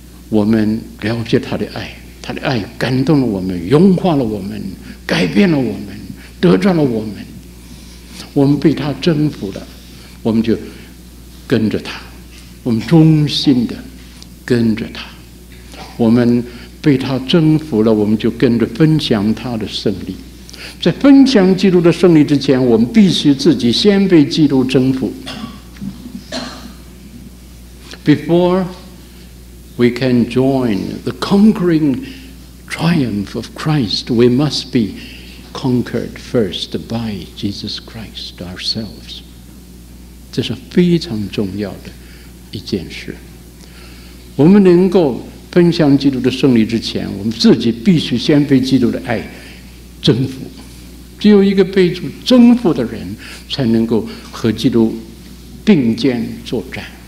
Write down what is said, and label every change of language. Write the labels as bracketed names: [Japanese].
[Chinese] 我们了解他的爱，他的爱感动了我们，融化了我们，改变了我们，得着了我们，我们被他征服了，我们就跟着他，我们忠心的跟着他，我们被他征服了，我们就跟着分享他的胜利。在分享基督的胜利之前，我们必须自己先被基督征服。 [English] Before we can join the conquering triumph of Christ, we must be conquered first by Jesus Christ ourselves. [Chinese] 这是非常重要的一件事。我们能够分享基督的胜利之前，我们自己必须先被基督的爱征服。只有一个被主征服的人，才能够和基督并肩作战。